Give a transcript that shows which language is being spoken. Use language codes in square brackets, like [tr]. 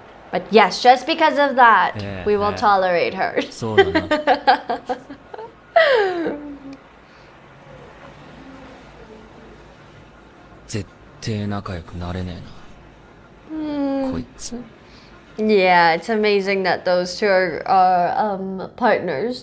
[en] But yes, just because of that, we will tolerate her. [ja] そうだな。絶対仲良くなれねえな。こいつ。 [en] Yeah, it's amazing that those two are partners.